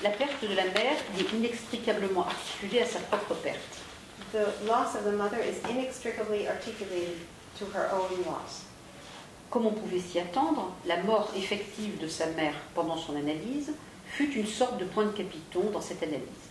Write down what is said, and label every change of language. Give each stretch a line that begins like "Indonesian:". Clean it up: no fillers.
French: La perte de la mère est inextricablement articulée à sa propre perte.
English: The loss of the mother is inextricably articulated to her own loss.
French: Comme on pouvait s'y attendre, la mort effective de sa mère pendant son analyse fut une sorte de point de capiton dans cette analyse.